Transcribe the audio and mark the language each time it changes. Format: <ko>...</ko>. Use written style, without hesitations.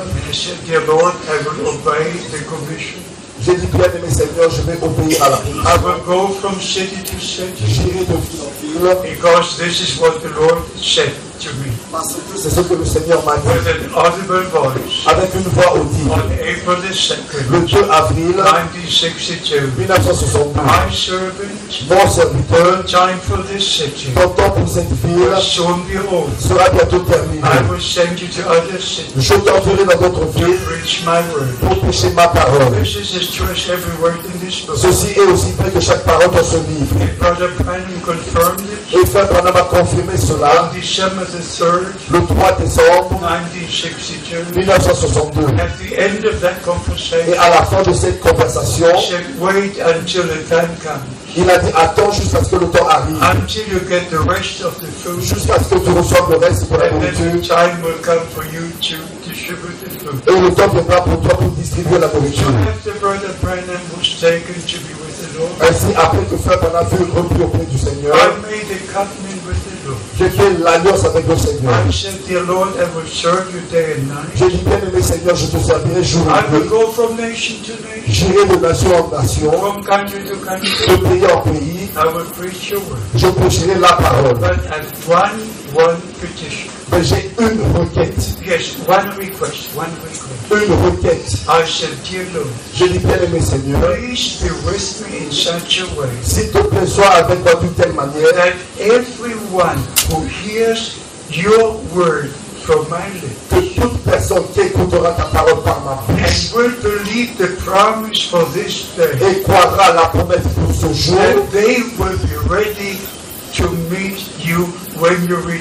<en>And I said, dear Lord, I will obey the commission.</en> <fr>J'ai dit, bien aimé Seigneur, je vais obéir à la commission.</fr> <en>I will go from city to city.</en> <fr>J'irai de ville en ville.</fr> <en>Because this is what the Lord said to me.</en> <fr>C'est ce que le Seigneur m'a dit.</fr> <en>With an audible voice.</en> <fr>Avec une voix audible.</fr> <en>On April the 2nd.</en> <fr>Le 2 avril.</fr> <en>1962. My servant.</en> <fr>Mon serviteur.</fr> <en>The time for this city.</en> <fr>Ton temps pour cette ville.</fr> <en>Soon be over.</en> <fr>Sera bientôt terminé.</fr> <en>I will send you to other cities.</en> <fr>Je t'enverrai dans d'autres villes.</fr> <en>To preach my word.</en> <fr>Pour prêcher ma parole.</fr> <en>This is true as every word in this book.</en> <fr>Ceci est aussi vrai que chaque parole dans ce livre.</fr> <en>And Brother Branham confirmed it.</en> <fr>Et Frère Branham a confirmé cela.</fr> <en>On December the 3rd.</en> <fr>Le 3 décembre 1962.</fr> <en>At the end of that conversation,</en> <fr>et à la fin de cette conversation,</fr> <en>he said, wait until the time comes.</en> <fr>Il a dit, attends jusqu'à ce que le temps arrive.</fr> <en>Until you get the rest of the food,</en> <fr>jusqu'à ce que tu reçoives le reste de la nourriture.</fr> <en>And then the time will come for you to distribute the food.</en> <fr>Et le temps viendra pour toi pour distribuer la nourriture.</fr> <en>After Brother Branham was taken to be with the Lord,</en> <fr>ainsi, après que Frère Branham fut repris auprès du Seigneur,</fr> <en>I made a covenant with the Lord.</en> <fr>J'ai fait l'alliance avec le Seigneur.</fr> <en>I said, dear Lord, I will serve you day and night.</en> <fr>J'ai dit, bien aimé Seigneur, je te servirai jour et nuit.</fr> <en>I will go from nation to nation.</en> <fr>J'irai de nation en nation.</fr> <en>From country to country.</en> <fr>De pays en pays.</fr> <en>I will preach your word.</en> <fr>Je prêcherai la parole.</fr> <en>But I have one petition.</en> <fr>Mais j'ai une requête.</fr> <en>Yes, one request.</en> <fr>Une requête.</fr> <en>I said, dear Lord.</en> <fr>Je dis bien aimé Seigneur.</fr> <en>Please be with me in such a way.</en> <fr>S'il te plaît, sois avec moi d'une telle manière.</fr> <en>That everyone who hears your word from my lips.</en> <fr>Que toute personne qui écoutera ta parole par ma bouche.</fr> <en>And will believe the promise for this day.</en> <fr>Et croira la promesse pour ce jour.</fr> <en>And they will be ready to meet you when you</en>